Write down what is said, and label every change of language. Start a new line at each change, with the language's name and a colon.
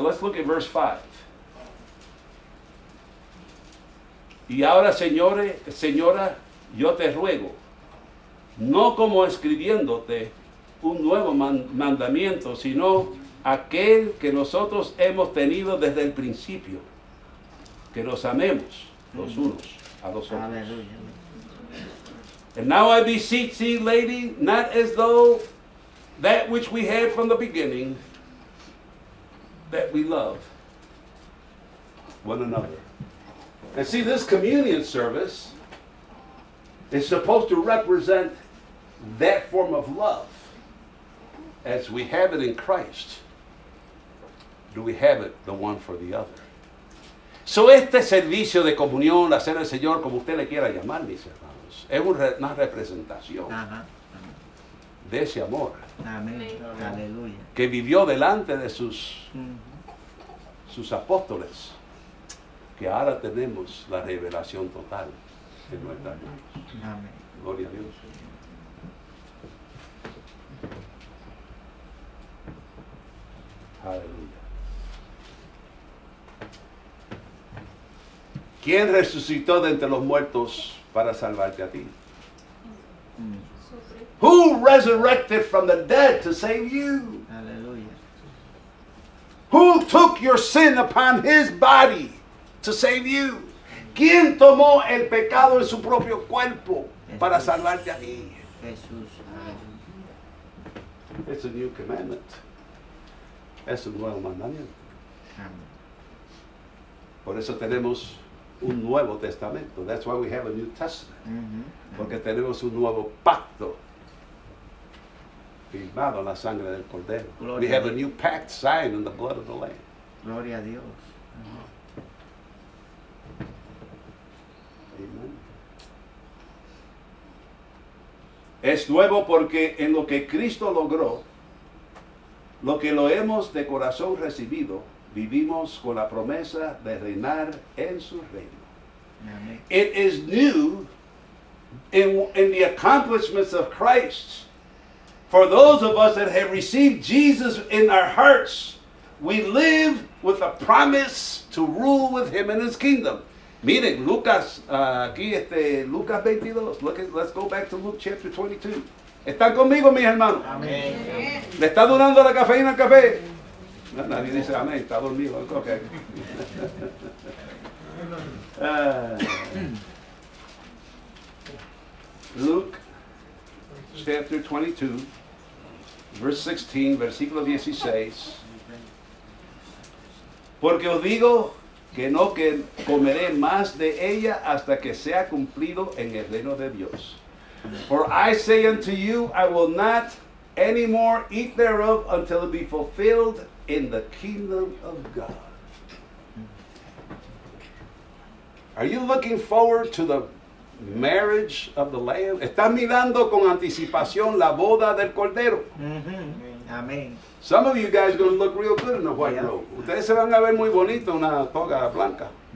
English: Let's look at verse 5.
Spanish: Y ahora, señora, yo te ruego, no como escribiéndote un nuevo mandamiento, sino aquel que nosotros hemos tenido desde el principio, que nos amemos los unos a los otros.
English: Hallelujah. And now I beseech thee, lady, not as though that which we had from the beginning, that we love one another. And see, this communion service is supposed to represent that form of love as we have it in Christ. Do we have it the one for the other?
Spanish: So este servicio de comunión, la cena del Señor, como usted le quiera llamar, mis hermanos, es una representación de ese amor. Amén. Aleluya. Que vivió delante de sus sus apóstoles, que ahora tenemos la revelación total en nuestras manos. Amén. Gloria a Dios. Aleluya. ¿Quién resucitó de entre los muertos para salvarte a ti?
English: Who resurrected from the dead to save you?
Spanish: Aleluya.
English: Who took your sin upon his body to save you?
Spanish: ¿Quién tomó el pecado en su propio cuerpo para salvarte a ti? Jesús.
English: It's a new commandment.
Spanish: Es un nuevo mandamiento. Por eso tenemos un nuevo testamento.
English: That's why we have a new testament.
Spanish: Porque tenemos un nuevo pacto firmado en la sangre del Cordero. Gloria,
English: we have a new pact signed in the blood of the Lamb.
Spanish: Gloria a Dios.
English: Amen.
Spanish: Es nuevo porque en lo que Cristo logró, lo que lo hemos de corazón recibido, vivimos con la promesa de reinar en su reino.
English: It is new in the accomplishments of Christ. For those of us that have received Jesus in our hearts, we live with a promise to rule with him in his kingdom.
Spanish: Miren, Lucas, aquí este, Lucas 22.
English: Look at, let's go back to Luke chapter 22.
Spanish: ¿Están conmigo, mis hermanos? Amén. ¿Le está durando la cafeína al café? No, nadie dice amén, está dormido. Ok.
English: Luke chapter 22, verse 16, versículo 16.
Spanish: Porque os digo que no que comeré más de ella hasta que sea cumplido en el reino de Dios.
English: For I say unto you, I will not any more eat thereof until it be fulfilled in the kingdom of God. Are you looking forward to the marriage of the Lamb?
Spanish: ¿Estás mirando con anticipación la boda del Cordero? Amén.
English: Some of you guys are going to look real good in a white robe.
Spanish: Ustedes se van a ver muy bonito en una toga blanca.